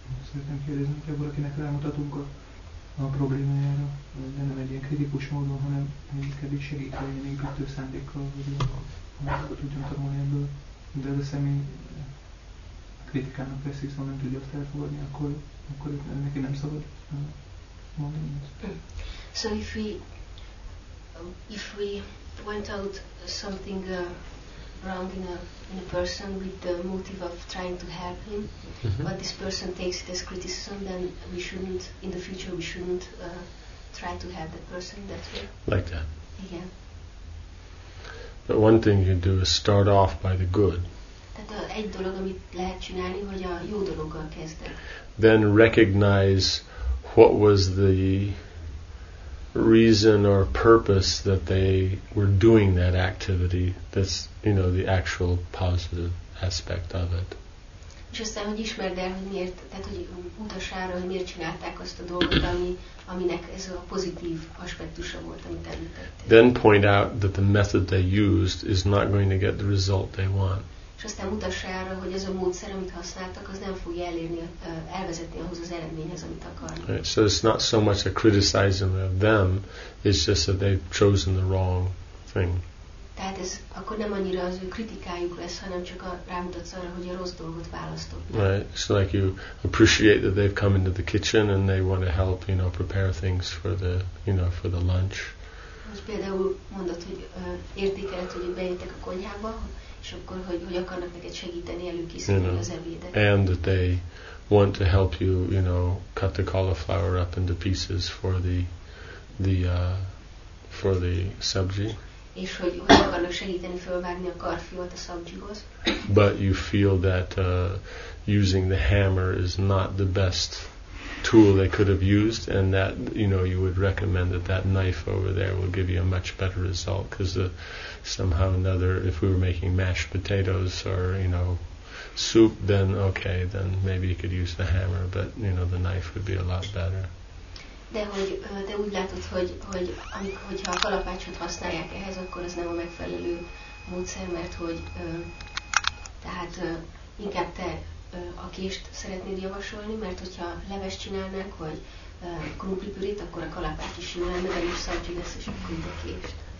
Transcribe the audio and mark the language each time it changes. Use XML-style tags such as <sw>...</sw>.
<hu>Szeretném kérdezni, hogy valakinek rámutatunk a problémájára, de nem egy ilyen kritikus módon, hanem inkább így segít, hogy ilyen építő szándékkal, hogy magukat tudjunk tanulni ebből, de ez a személy kritikának lesz, viszont nem tudja azt elfogadni, akkor neki nem szabad mondani.</hu> <en>So if we point out something wrong in a person with the motive of trying to help him, mm-hmm. but this person takes it as criticism, then we shouldn't, in the future, we shouldn't try to help that person that way. Like that. Yeah. But one thing you do is start off by the good.</en> <hu>Tehát egy dolog, amit lehet csinálni, hogy a jó dologgal kezdem.</hu> <en>Then recognize what was the reason or purpose that they were doing that activity. That's, you know, the actual positive aspect of it.</en> <hu>És aztán, hogy ismerd el, hogy miért, tehát, hogy utasára, hogy miért csinálták azt a dolgot, aminek ez a pozitív aspektusa volt, amit említettél.</hu> <en>Then point out that the method they used is not going to get the result they want.</en> <hu>És aztán utasára, hogy ez a módszer, amit használtak, az nem fogja elérni, elvezetni ahhoz az eredményhez, amit akarnak.</hu> <en>Right, so it's not so much a criticism of them, it's just that they've chosen the wrong thing.</en> <hu>Tehát ez akkor nem annyira az ő kritikájuk lesz, hanem csak rámutatsz arra, hogy a rossz dolgot választottak.</hu> <en>Right. It's like you appreciate that they've come into the kitchen and they want to help, you know, prepare things for the, you know, for the lunch.</en> <hu>Most például mondod, hogy értékeled, hogy bejöttek a konyhába, és akkor hogy akarnak neked segíteni előkészíteni,</hu> <en>you know,</en> <hu>az ebédet.</hu> <en>And that they want to help you, you know, cut the cauliflower up into pieces for the sabji.</en> <hu>És hogy akarnak segíteni fölvágni a karfiót a szabjúhoz.</hu> <en>But you feel that using the hammer is not the best tool they could have used, and that, you know, you would recommend that knife over there will give you a much better result, because somehow or another, if we were making mashed potatoes or, you know, soup, then okay, then maybe you could use the hammer, but, you know, the knife would be a lot better.</en> <hu>De hogy te úgy látod, hogyha a kalapácsot használják ehhez, akkor ez nem a megfelelő módszer, mert hogy tehát inkább te a kést szeretnéd javasolni, mert hogyha leves csinálnánk, vagy krumplipürit, akkor a kalapács is jól lenne, mert is szabcsi lesz, és akkor a kést.</hu>